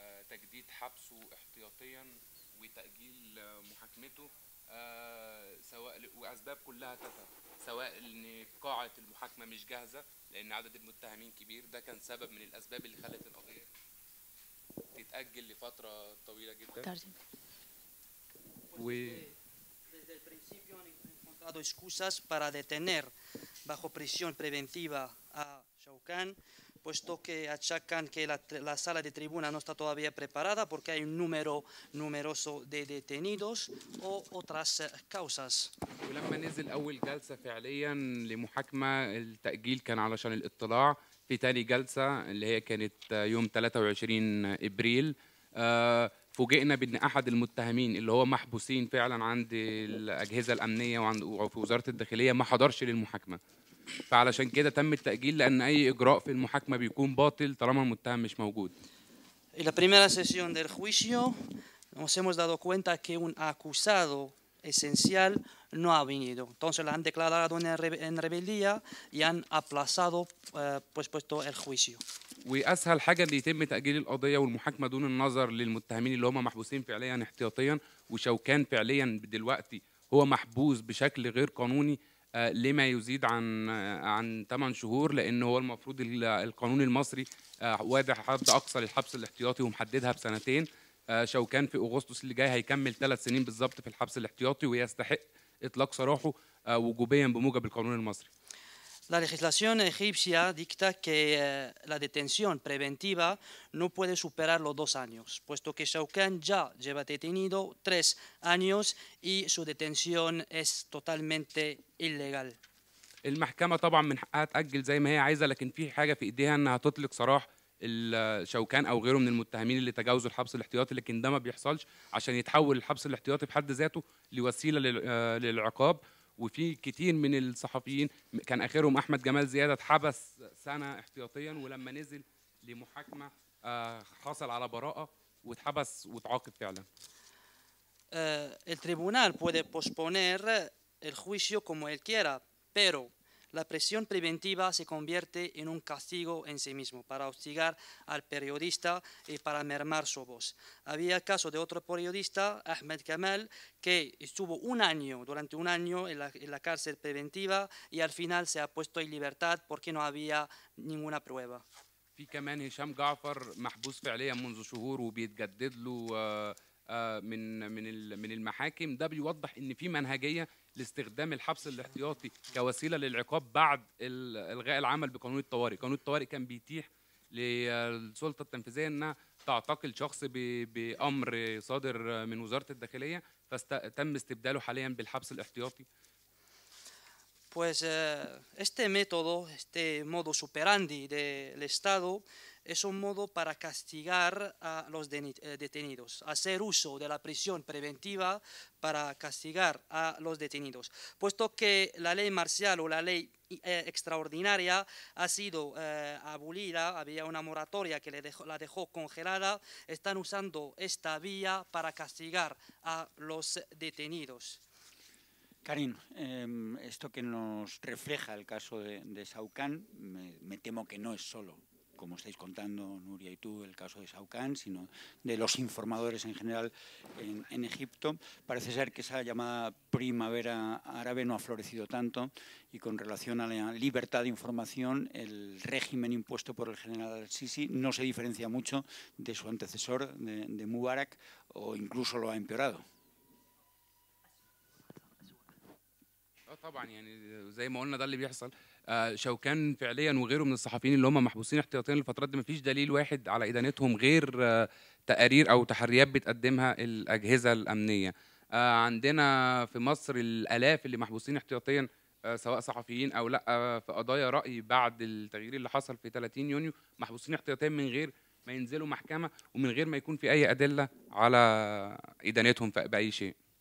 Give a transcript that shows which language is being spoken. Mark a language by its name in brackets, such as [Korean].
[Arabic] تجديد حبسه احتياطيا وتأجيل محاكمته سواء وأسباب كلها تافهة سواء إن قاعة المحاكمة مش جاهزة لأن عدد المتهمين كبير ده كان سبب من الأسباب اللي خلت القضية تتأجل لفترة طويلة جدا. [Spanish] Desde el principio han encontrado excusas para detener bajo prisión preventiva a Saucán. Puesto que achacan que la sala de tribuna no está todavía preparada porque hay un número numeroso de detenidos o otras causas. [Arabic] ولما نزل اول جلسه فعليا لمحاكمه التاجيل كان علشان الاطلاع في ثاني جلسه اللي هي كانت يوم 23 ابريل فوجئنا بان احد المتهمين اللي هو محبوسين فعلا عند الاجهزه الامنيه وعند في وزاره الداخليه ما حضرش للمحاكمه. فعلشان كده تم التأجيل لأن أي إجراء في المحاكمة بيكون باطل طالما المتهم مش موجود. [Spanish] En la primera sesión del juicio nos hemos dado cuenta que un acusado esencial no ha venido. Entonces lo han declarado en rebeldía y han aplazado puesto el juicio. [Arabic] وأسهل حاجة اللي يتم تأجيل القضية والمحاكمة دون النظر للمتهمين اللي هما محبوسين فعليا احتياطيا وشوكان فعليا دلوقتي هو محبوس بشكل غير قانوني لما يزيد عن 8 شهور لان هو المفروض القانون المصري وضع حد اقصى للحبس الاحتياطي ومحددها بسنتين شوكان في اغسطس اللي جاي هيكمل 3 سنين بالظبط في الحبس الاحتياطي ويستحق اطلاق سراحه وجوبيا بموجب القانون المصري. [Spanish] La legislación egipcia dicta que la detención preventiva no puede superar los 2 años, puesto que Saucán ya lleva detenido 3 años y su detención es totalmente ilegal. [Arabic] المحكمة طبعا من حقها تأجل زي ما هي عايزة لكن في حاجة في إيديها إنها تطلق سراح الشوكان أو غيره من المتهمين اللي تجاوزوا الحبس الاحتياطي لكن ده ما بيحصلش عشان يتحول الحبس الاحتياطي بحد ذاته لوسيلة للعقاب. وفي كتير من الصحفيين كان اخرهم احمد جمال زيادة اتحبس سنه احتياطيا ولما نزل لمحاكمه حصل على براءه واتحبس واتعاقب فعلا. [Spanish] El tribunal puede posponer el juicio como él quiera, pero la prisión preventiva se convierte en un castigo en sí mismo para hostigar al periodista y para mermar su voz. Había el caso de otro periodista, Ahmed Kamal, que estuvo durante un año en la cárcel preventiva y al final se ha puesto en libertad porque no había ninguna prueba. [Arabic] في كمان هشام جعفر محبوس فعليا منذ شهور وبيتجدد له من المحاكم ده بيوضح ان في منهجيه لاستخدام الحبس الاحتياطي كوسيله للعقاب بعد الغاء العمل بقانون الطوارئ. قانون الطوارئ كان بيتيح للسلطه التنفيذيه انها تعتقل شخص بامر صادر من وزاره الداخليه ف فتم استبداله حاليا بالحبس الاحتياطي. [Spanish] Pues este método, este modus operandi del Estado, es un modo para castigar a los detenidos, hacer uso de la prisión preventiva para castigar a los detenidos, puesto que la ley marcial o la ley extraordinaria ha sido abolida, había una moratoria que la dejó congelada, están usando esta vía para castigar a los detenidos. Karin, esto que nos refleja el caso de Saucán, me temo que no es solo, como estáis contando, Nuria y tú, el caso de Saucán, sino de los informadores en general en Egipto. Parece ser que esa llamada primavera árabe no ha florecido tanto y con relación a la libertad de información, el régimen impuesto por el general al-Sisi no se diferencia mucho de su antecesor, de Mubarak, o incluso lo ha empeorado. [Arabic] طبعا يعني زي ما قلنا ده اللي بيحصل شوكان فعليا وغيره من الصحفيين اللي هم محبوسين احتياطيا للفترات دي مفيش دليل واحد على ادانتهم غير تقارير او تحريات بتقدمها الاجهزه الامنيه عندنا في مصر الالاف اللي محبوسين احتياطيا سواء صحفيين او لا في قضايا راي بعد التغيير اللي حصل في 30 يونيو محبوسين احتياطيا من غير ما ينزلوا محكمه ومن غير ما يكون في اي ادله على ادانتهم باي شيء.